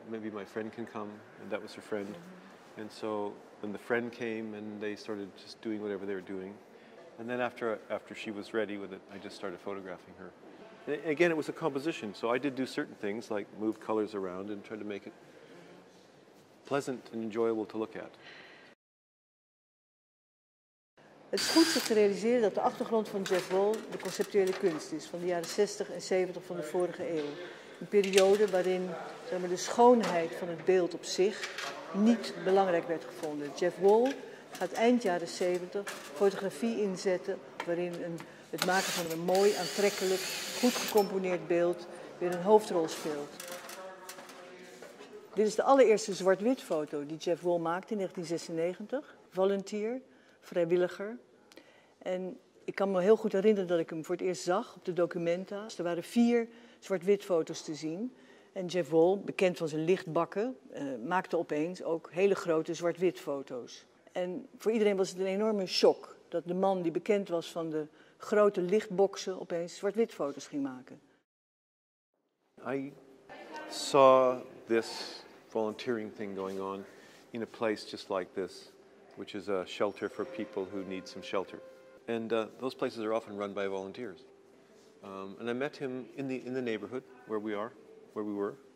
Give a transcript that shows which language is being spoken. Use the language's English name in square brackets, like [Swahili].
[English] Maybe my friend can come. And that was her friend. Mm-hmm. And so then the friend came and they started just doing whatever they were doing. And then after she was ready with it, I just started photographing her. And again, it was a composition, so I did do certain things, like move colors around and try to make it pleasant and enjoyable to look at. [Dutch] Het is goed zich te realiseren dat de achtergrond van Jeff Wall de conceptuele kunst is van de jaren 60 en 70 van de vorige eeuw. Een periode waarin de schoonheid van het beeld op zich niet belangrijk werd gevonden. Jeff Wall gaat eind jaren 70 fotografie inzetten waarin het maken van een mooi, aantrekkelijk, goed gecomponeerd beeld weer een hoofdrol speelt. Dit is de allereerste zwart-wit foto die Jeff Wall maakte in 1996. Volunteer, vrijwilliger. En ik kan me heel goed herinneren dat ik hem voor het eerst zag op de Documenta. Er waren 4 zwart-wit foto's te zien. En Jeff Wall, bekend van zijn lichtbakken, maakte opeens ook hele grote zwart-wit foto's. En voor iedereen was het een enorme shock dat de man die bekend was van de grote lichtboxen opeens zwart-wit foto's ging maken. [English] I saw this volunteering thing going on in a place just like this, which is a shelter for people who need some shelter. And those places are often run by volunteers. And I met him in the neighborhood where we are, where we were.